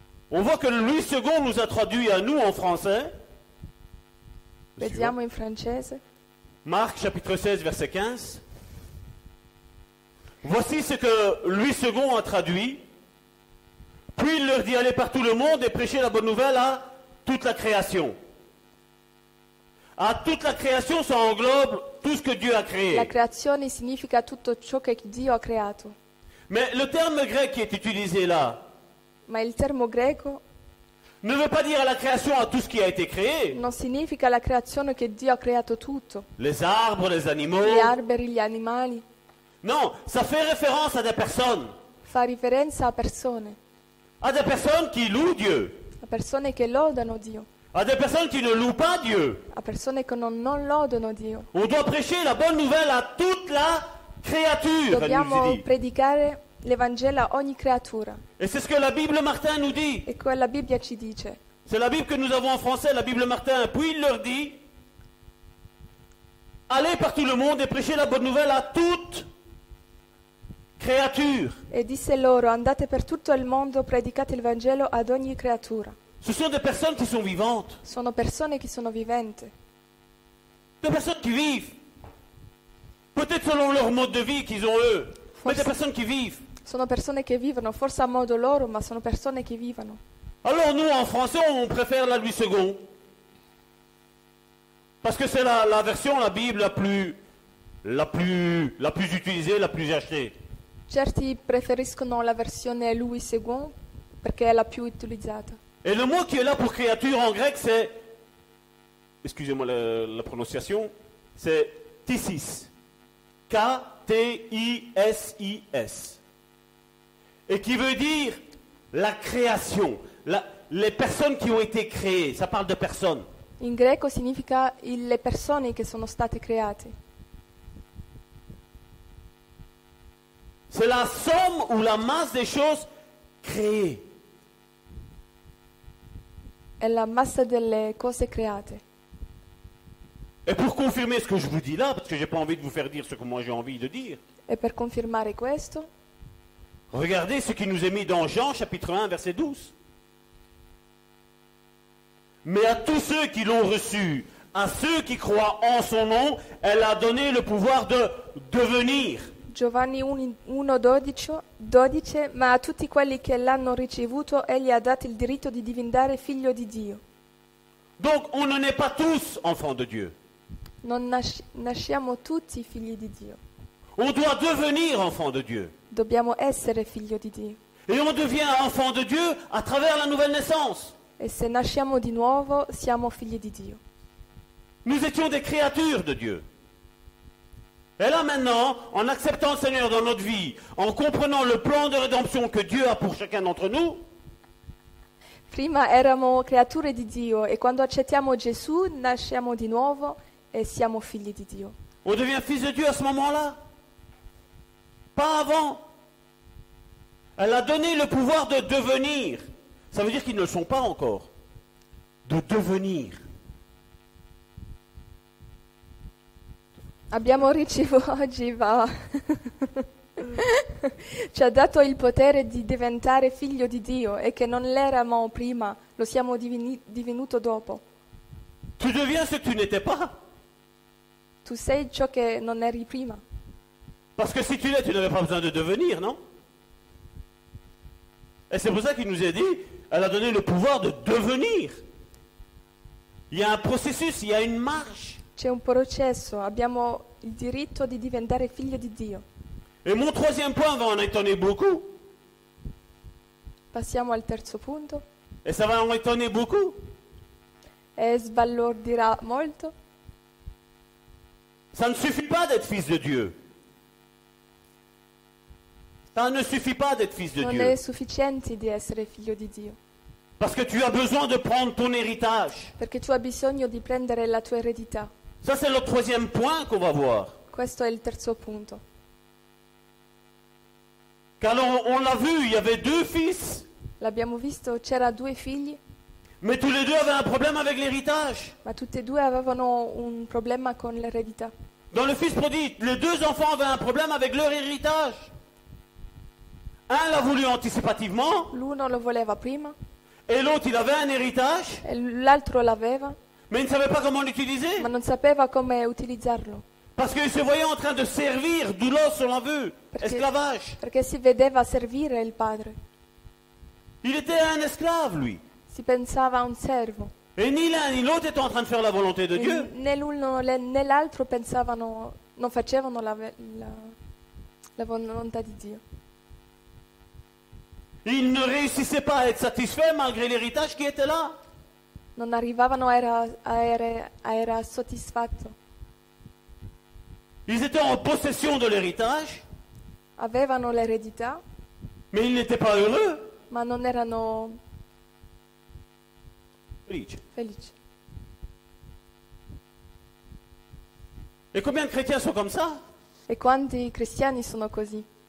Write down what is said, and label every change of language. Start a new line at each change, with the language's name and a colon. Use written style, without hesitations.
French: On voit que Louis II nous a traduit à nous en français.
Italian: Vediamo in francese.
French: Marc chapitre 16 verset 15. Voici ce que Louis II a traduit. Puis il leur dit, allez par tout le monde et prêchez la bonne nouvelle à toute la création. À toute la création, ça englobe tout ce que Dieu a créé.
Italian: La creazione significa tutto ciò che Dio ha creato.
French: Mais le terme grec qui est utilisé là.
Italian: Ma il termo greco.
French: Ne veut pas dire à la création à tout ce qui a été créé.
Italian: Non significa la creazione che Dio ha creato tutto.
French: Les arbres, les animaux.
Italian: Gli alberi, gli animali.
French: Non, ça fait référence à des personnes.
Italian: Fa riferimento a persone.
French: À des personnes qui louent Dieu.
Italian: A persone che lodano Dio.
French: À des personnes qui ne louent pas Dieu.
Italian: A persone che non lodano Dio.
French: On doit prêcher la bonne nouvelle à toute la créature.
Italian: Dobbiamo predicare l'Evangelo a ogni creatura.
French: Et c'est ce que la Bible Martin nous dit.
Italian: E quella Bibbia ci dice.
French: C'est la Bible que nous avons en français, la Bible Martin. Puis il leur dit: allez par tout le monde et prêchez la bonne nouvelle à toute créature.
Italian: E disse loro: andate per tutto il mondo, predicate il Vangelo ad ogni creatura.
French: Ce sont des personnes qui sont vivantes.
Italian: Sono persone che sono viventi.
French: Des personnes qui vivent. Peut-être selon leur mode de vie qu'ils ont eux.
Italian: Forse.
French: Mais des personnes qui vivent.
Italian: Sono persone che vivono, forse a modo loro, ma sono persone che vivono.
French: Alors nous en français on préfère la Louis II. Parce que c'est la version, la Bible la plus utilisée, la plus achetée.
Italian: Certi preferiscono la versione Louis II perché è la più utilizzata.
French: Et le mot qui est là pour créature en grec c'est, excusez-moi la prononciation, c'est tisis. K-T-I-S-I-S. Et qui veut dire la création, les personnes qui ont été créées. Ça parle de personnes.
Italian: In greco significa le persone che sono state create.
French: C'est la somme ou la masse des choses créées.
Italian: È la massa delle cose create.
French: Et pour confirmer ce que je vous dis là, parce que j'ai pas envie de vous faire dire ce que moi j'ai envie de dire.
Italian: Et per confermare questo.
French: Regardez ce qui nous est mis dans Jean chapitre 1 verset 12. Mais à tous ceux qui l'ont reçu, à ceux qui croient en son nom, elle a donné le pouvoir de devenir.
Italian: Giovanni 1:12, ma a tutti quelli che l'hanno ricevuto, egli ha dato il diritto di diventare figlio di Dio.
French: Donc on ne naît pas tous enfants de Dieu.
Italian: Non nasciamo tutti figli di Dio.
French: On doit devenir enfant de Dieu.
Italian: Dobbiamo essere figlio di Dio.
French: Et on devient enfant de Dieu à travers la nouvelle naissance.
Italian: E se nasciamo di nuovo, siamo figli di Dio.
French: Nous étions des créatures de Dieu. Et là maintenant, en acceptant le Seigneur dans notre vie, en comprenant le plan de rédemption que Dieu a pour chacun d'entre nous.
Italian: Prima eravamo creature di Dio e quando accettiamo Gesù, nasciamo di nuovo. Et siamo figli di Dio.
French: On devient fils de Dieu à ce moment-là. Pas avant. Elle a donné le pouvoir de devenir. Ça veut dire qu'ils ne le sont pas encore. De devenir.
Italian: Abbiamo ricevuto oggi, va. Ci ha dato il potere di diventare figlio di Dio e che non l'eravamo prima, lo siamo divenuto dopo.
French: Tu deviens ce que tu n'étais pas.
Italian: Tu sei ciò che non eri prima.
French: Parce que si tu l'es, tu n'avais pas besoin de devenir, non? Et c'est pour ça qu'il nous a dit, elle a donné le pouvoir de devenir. Il y a un processus, il y a une marche.
Italian: C'è un processo, abbiamo il diritto di diventare figlio di Dio.
French: Et mon troisième point va en étonner beaucoup.
Italian: Passiamo al terzo punto.
French: Et ça va en étonner beaucoup.
Italian: E sbalordirà molto.
French: Ça ne suffit pas d'être fils de Dieu. Ça ne suffit pas d'être fils de non Dieu.
Italian: Non è sufficiente di essere figlio di Dio.
French: Parce que tu as besoin de prendre ton héritage.
Italian: Perché tu hai bisogno di prendere la tua eredità.
French: Ça c'est le troisième point qu'on va voir.
Italian: Questo è il terzo punto.
French: Car on l'a vu, il y avait deux fils.
Italian: L'abbiamo visto, c'era due figli.
French: Mais tous les deux avaient un problème avec l'héritage.
Italian: Ma tutte e due avevano un problema con l'eredità.
French: Dans le fils prodigue, les deux enfants avaient un problème avec leur héritage. Un l'a voulu anticipativement.
Italian: L'uno lo voleva prima.
French: Et l'autre, il avait un héritage.
Italian: E l'altro l'aveva.
French: Mais il ne savait pas comment l'utiliser.
Italian: Ma non sapeva come utilizzarlo.
French: Parce qu'il se voyait en train de servir, d'où l'os on l'a vu, esclavage.
Italian: Perché si vedeva servire il padre.
French: Il était un esclave, lui.
Italian: Si pensava a un servo.
French: Et ni l'un ni l'autre étaient en train de faire la volonté de Dieu.
Italian: Né l'uno né l'altro pensavano, non facevano la volontà di Dio.
French: Ils ne réussissaient pas à être satisfaits malgré l'héritage qui était là.
Italian: Non arrivavano a era soddisfatto.
French: Ils étaient en possession de l'héritage.
Italian: Avevano l'eredità.
French: Mais ils n'étaient pas heureux.
Italian: Ma non erano felice.
French: Et combien de chrétiens sont comme ça?
Italian: E quanti cristiani sono così?